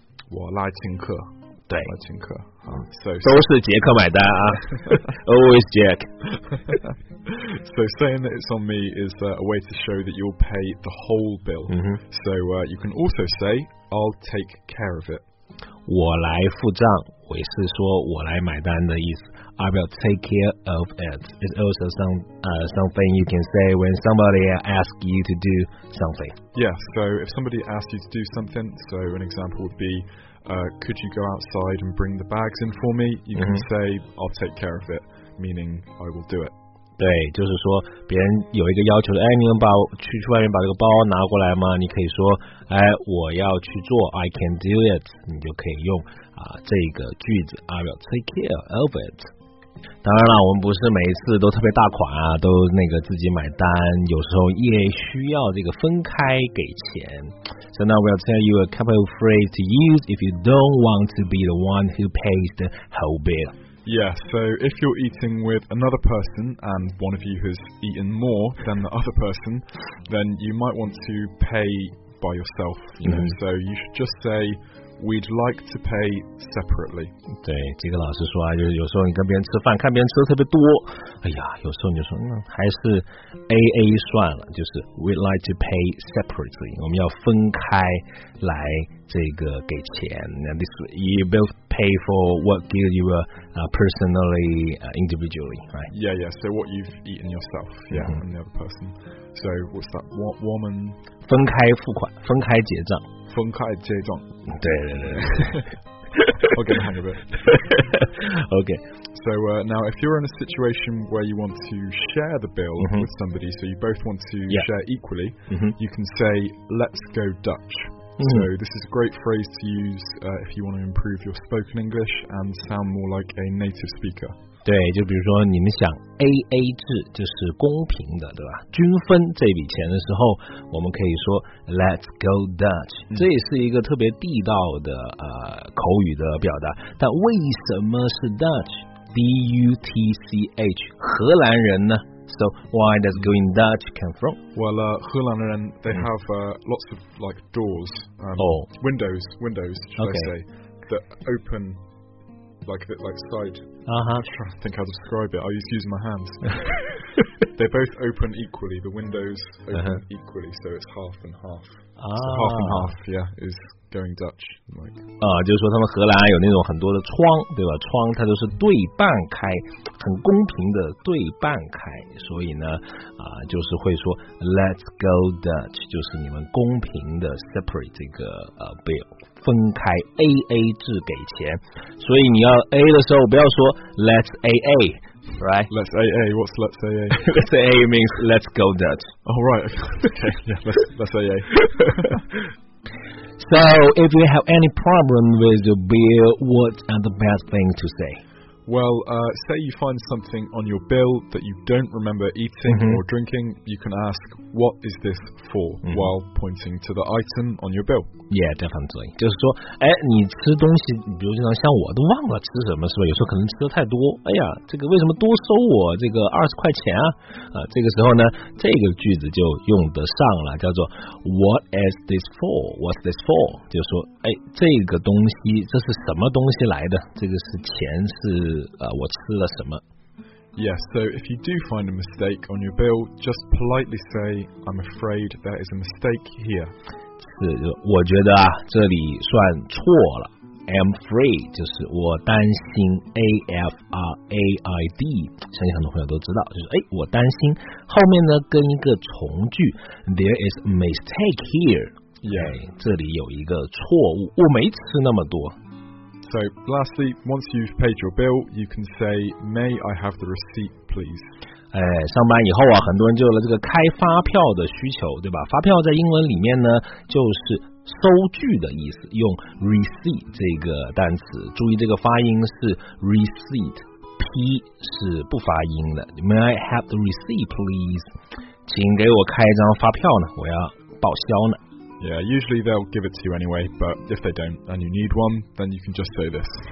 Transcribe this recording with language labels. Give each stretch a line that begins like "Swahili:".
Chinese: 我来请客，对，我来请客啊，都是杰克买单啊，
English: always Jack. So saying that it's on me is a way to show that you'll pay the whole bill. So you can also say, I'll take care of it.
Chinese: 我来付账，也是说我来买单的意思。
English: I will take care of it. It's also something you can say when somebody asks you to do something. Yeah, so if somebody asks you to do something, so an example would be,could you go outside and bring the bags in for me? You can say, I'll take care of it, meaning I will do it.
Chinese: 对，就是说别人有一个要求，哎，你能把去外面把这个包拿过来吗？你可以说，哎，我要去做 ，
English: I can do it，
Chinese: 你就可以用这个句子 ，
English: I will take care of it。
Chinese: 当然了，我们不是每一次都特别大款啊，都那个自己买单，有时候也需要这个分开给钱。
English: So now we'll tell you a couple of phrases to use if you don't want to be the one who pays the whole bill. Yeah, so if you're eating with another person and one of you has eaten more than the other person, then you might want to pay by yourself. So you should just say, we'd like to pay separately.
Chinese: 对，这个老师说啊，就是有时候你跟别人吃饭，看别人吃的特别多，哎呀，有时候你就说，还是 AA 算了，就是
English: we'd like to pay separately.
Chinese: 我们要分开来这个给钱。
English: Now this, you both. Pay for what you were personally, individually, right? Yeah, yeah. So what you've eaten yourself, yeah, and the other person. So what's that? What woman?
Chinese: 分开付款，分开结账，分开结账。对对对。
English: Okay, hang a bit. Okay. So now, if you're in a situation where you want to share the bill with somebody, so you both want to share equally, you can say, "Let's go Dutch." So this is a great phrase to use if you want to improve your spoken English and sound more like a native speaker.
Chinese: 对，就比如说你们想 AA 制，就是公平的，对吧？均分这笔钱的时候，我们可以说
English: Let's go Dutch.
Chinese: 这也是一个特别地道的口语的表达。但为什么是 Dutch? D-U-T-C-H, 荷兰人呢？
English: So why does going Dutch come from? Well, 荷兰人 they have lots of like doors, windows, should I say, that open like side. Trying to think how to describe it. I'll just use my hands. They both open equally. The windows open equally, so it's half and half. Half and half, yeah, is. Going Dutch, like.
Chinese: 就是说他们荷兰有那种很多的窗，对吧？窗它都是对半开，很公平的对半开，所以呢，就是会说
English: Let's go Dutch,
Chinese: 就是你们公平的 separate 这个bill, 分开 AA 制给钱。所以你要 A 的时候，不要说
English: Let's AA, right? Let's AA, what's Let's AA? Let's AA means Let's go Dutch. Oh, right, okay, yeah, let's AA. So, if you have any problem with your bill, what are the best things to say? Well, say you find something on your bill that you don't remember eating、mm-hmm. or drinking, you can ask, what is this for?、Mm-hmm. while pointing to the item on your bill. Yeah, definitely.
Chinese: 就是说，哎，你吃东西，比如经常像我都忘了吃什么，是吧？有时候可能吃的太多，哎呀，这个为什么多收我这个20块钱啊？这个时候呢，这个句子就用得上了，叫做
English: What is this for? What's this for?
Chinese: 就是说，哎，这个东西，这是什么东西来的？这个是钱，是我吃了什么。
English: Yes, so if you do find a mistake on your bill, just politely say, I'm afraid there is a mistake here.
Chinese: 是，我觉得啊，这里算错了。
English: I'm afraid,
Chinese: 就是我担心 A-F-R-A-I-D, 相信很多朋友都知道，就是哎，我担心，后面呢，跟一个从句
English: there is a mistake here. Yeah. 哎，
Chinese: 这里有一个错误，我没吃那么多。
English: So lastly, once you've paid your bill, you can say, may I have the receipt, please?
Chinese: 哎，上班以后啊，很多人就有了这个开发票的需求，对吧？发票在英文里面呢，就是收据的意思，用 receipt 这个单词，注意这个发音是 receipt, P 是不发音的。
English: May I have the receipt, please?
Chinese: 请给我开一张发票呢，我要报销呢。
English: Yeah, usually they'll give it to you anyway, but if they don't and you need one, then you can just say this.